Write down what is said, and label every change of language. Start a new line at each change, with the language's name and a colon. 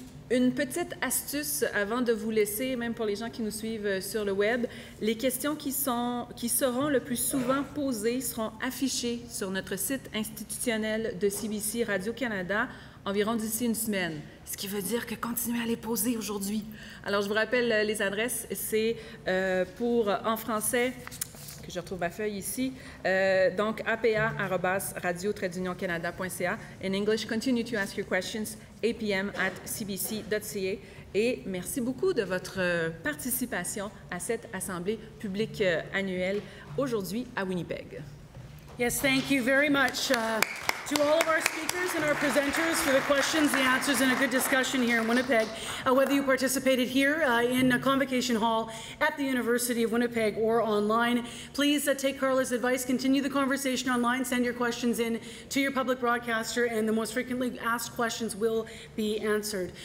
French: Une petite astuce avant de vous laisser, même pour les gens qui nous suivent sur le web, les questions qui seront le plus souvent posées seront affichées sur notre site institutionnel de CBC Radio-Canada environ d'ici une semaine, ce qui veut dire que continuez à les poser aujourd'hui. Alors, je vous rappelle les adresses, c'est pour en français, que je retrouve ma feuille ici, donc apa@radio-canada.ca.
English: In English, continue to ask your questions, apm@cbc.ca.
French: Et merci beaucoup de votre participation à cette Assemblée publique annuelle aujourd'hui à Winnipeg.
English: Yes, thank you very much to all of our speakers and our presenters for the questions, the answers, and a good discussion here in Winnipeg. Whether you participated here in a Convocation Hall at the University of Winnipeg or online, please take Carla's advice, continue the conversation online, send your questions in to your public broadcaster, and the most frequently asked questions will be answered.